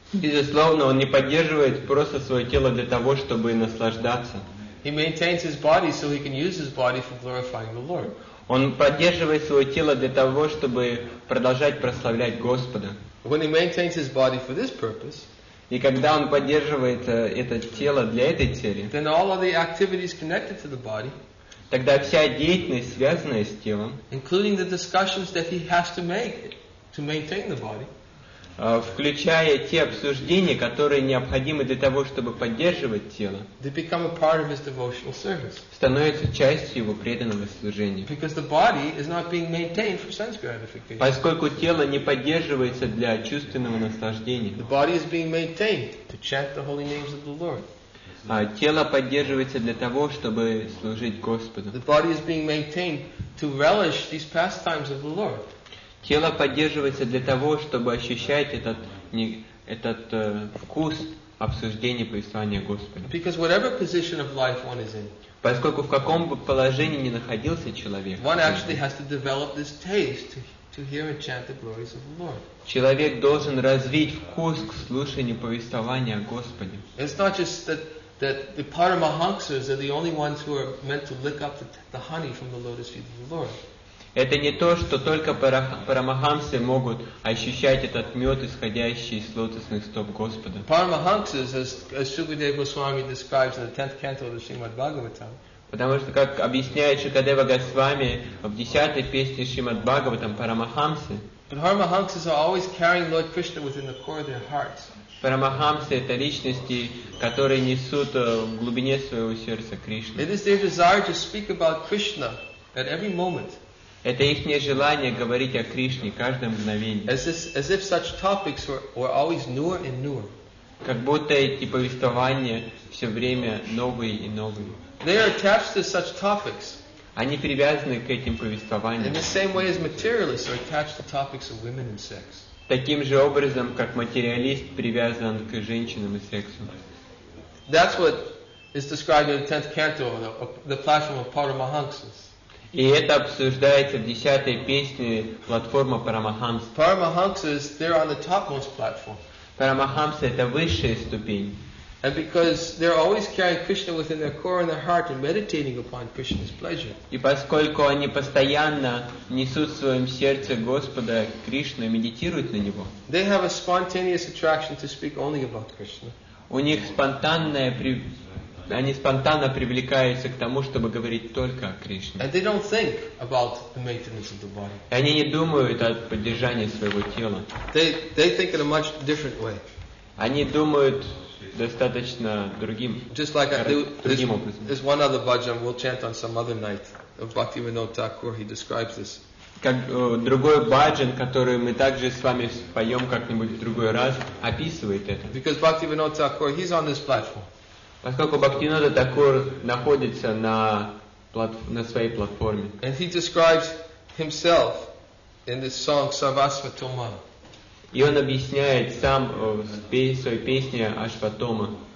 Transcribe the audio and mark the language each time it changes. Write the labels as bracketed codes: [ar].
[ru] Безусловно, он не поддерживает просто свое тело для того, чтобы наслаждаться. [en] He maintains his body so he can use his body for glorifying the Lord. [ru] Он поддерживает свое тело для того, чтобы продолжать прославлять Господа. [en] When he maintains his body for this purpose, [ru] и когда он поддерживает это тело для этой цели, [en] then all of the activities connected to the body, [ru] тогда вся деятельность, связанная с телом, [en] including the discussions that he has to make to maintain the body, [ru] включая те обсуждения, которые необходимы для того, чтобы поддерживать тело, [en] they become a part of his devotional service. [ru] Становятся частью его преданного служения. [en] Because the body is not being maintained for sense gratification. [ru] Поскольку тело не поддерживается для чувственного наслаждения. [en] The body is being maintained to chant the holy names of the Lord. [ru] Тело поддерживается для того, чтобы служить Господу. [en] The body is being maintained to relish these pastimes of the Lord. [ru] Тело поддерживается для того, чтобы ощущать этот вкус обсуждения повествования Господа. [en] Because whatever position of life one is in, [ru] поскольку в каком бы положении ни находился человек, [en] one actually has to develop this taste to hear and chant the glories of the Lord. [ru] Человек должен развить вкус к слушанию повествования о Господе. [en] It's not just that the paramahansas are the only ones who are meant to lick up the honey from the lotus feet of the Lord. [ru] Это не то, что только парамахамсы могут ощущать этот мед, исходящий из лотосных стоп Господа. [en] Paramahansas, as Shukadeva Goswami describes in the 10th canto of the Srimad Bhagavatam. [ru] Потому что, как объясняет Шукадева Госвами в 10-й песне Шримад Бхагаватам, парамахамсы. [en] Paramahansas are always carrying Lord Krishna within the core of their hearts. [ru] Парамахамсы — это личности, которые несут в глубине своего сердца Кришну. [en] It is their desire to speak about Krishna at every moment. [ru] Это их нежелание говорить о Кришне каждое мгновение. [en] As if such topics were always newer and newer. [ru] Как будто эти повествования все время новые и новые. [en] They are attached to such topics. [ru] Они привязаны к этим повествованиям. [en] In the same way as materialists are attached to topics of women and sex. [ru] Таким же образом, как материалист привязан к женщинам и сексу. [en] That's what is described in the 10th canto, the platform of Paramahansas. [ru] И это обсуждается в 10-й песне платформа Парамахамс. [en] Paramahamsas, they're on the topmost platform. [ru] Парамахамсы — это высшая ступень. [en] And because they're always carrying Krishna within their core and their heart and meditating upon Krishna's pleasure. [ru] И поскольку они постоянно несут в своем сердце Господа Кришну и медитируют на Него. [en] They have a spontaneous attraction to speak only about Krishna. [ru] У них спонтанное они спонтанно привлекаются к тому, чтобы говорить только о Кришне. [en] And they don't think about the maintenance of the body. [ru] И они не думают о поддержании своего тела. [en] They think in a much different way. [ru] Они думают достаточно другим. [en] Just like there's one other bhajan we'll chant on some other night of Bhaktivinoda Thakur. He describes this. [ru] Как другой баджан, который мы также с вами споем как-нибудь в другой раз, описывает это. [en] Because Bhaktivinoda Thakur, he's on this platform. [ru] Поскольку Бхактивинода Такур находится на своей платформе. [en] And he describes himself in this song Sarvasvatoma. [ru] И он объясняет сам в своей песне Ашватома.